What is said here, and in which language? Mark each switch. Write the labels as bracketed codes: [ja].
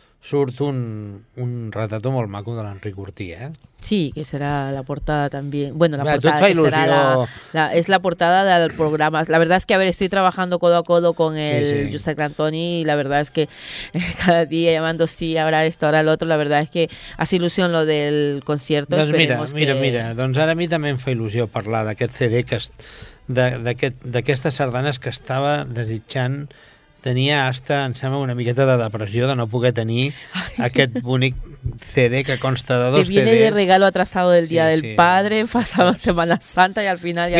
[ca] surt un retrató molt maco de l'Enric Ortí, Sí, que serà la portada també. Bueno, la portada que serà és la portada del programa. [es] La verdad es que, a ver, estoy trabajando codo a codo con el Josep Grantoni y la verdad es que cada día llamando sí, ahora esto, ahora lo otro, la verdad es que hace ilusión lo del concierto. [ca] Doncs mira, doncs ara a mi també em fa il·lusió parlar d'aquest CD, d'aquestes sardanes que estava desitjant. Tenia hasta, em sembla, una miqueta de depressió de no poder tenir aquest bonic CD que consta de dos CDs. [es] Que viene de regalo atrasado del Día del Padre, pasa la Semana Santa [ca] i al final ja